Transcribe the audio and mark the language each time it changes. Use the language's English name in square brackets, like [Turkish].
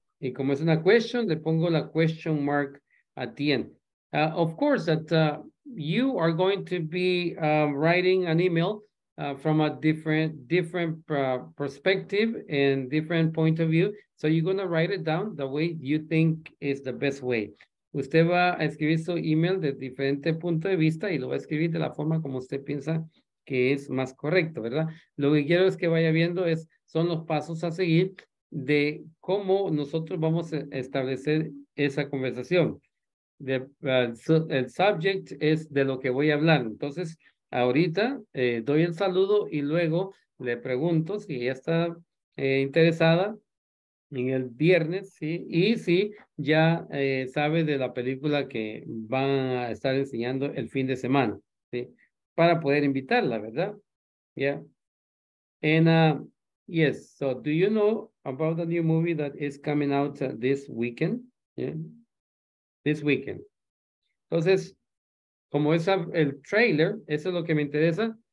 [Spanish] Y como es una question, le pongo la [English] question mark at the end. Of course, that you are going to be writing an email from a different perspective and different point of view. So you're going to write it down the way you think is the best way. [Spanish] Usted va a escribir su email de diferente punto de vista y lo va a escribir de la forma como usted piensa que es más correcto, ¿verdad? Lo que quiero es que vaya viendo es, son los pasos a seguir de cómo nosotros vamos a establecer esa conversación. El subject es de lo que voy a hablar. Entonces, ahorita doy el saludo y luego le pregunto si ella está interesada en el viernes, ¿sí? Y si ya sabe de la película que van a estar enseñando el fin de semana, ¿sí? Para poder invitarla, ¿verdad? Yeah. [English] And, yes, so do you know about the new movie that is coming out this weekend? Yeah. This weekend. [Spanish] Entonces, como es el trailer, eso es lo que me interesa.